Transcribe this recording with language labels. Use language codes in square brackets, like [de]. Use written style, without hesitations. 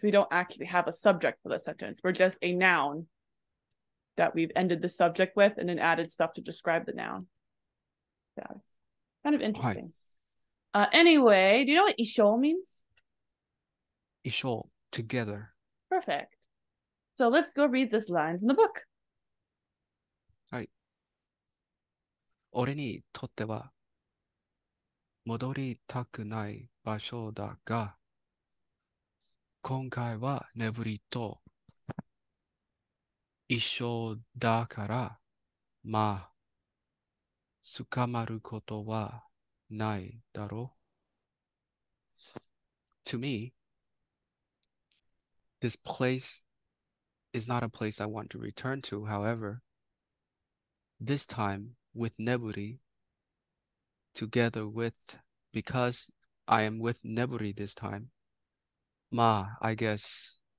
[en] We don't actually have a subject for the sentence. We're just a noun that we've ended the subject with and then added stuff to describe the noun. That's kind of interesting. Anyway, do you know what isho means? Isho, together. Perfect. So let's go read this line from the book. [ja] はい。俺にとっては戻りたくない場所だが、今回は眠りと一緒だから、まあ、捕まることはないだろう。 [en] To me, this place is not a place I want to return to. However, this time with Neburi, together with, because I am with Neburi this time, まあ、I guess...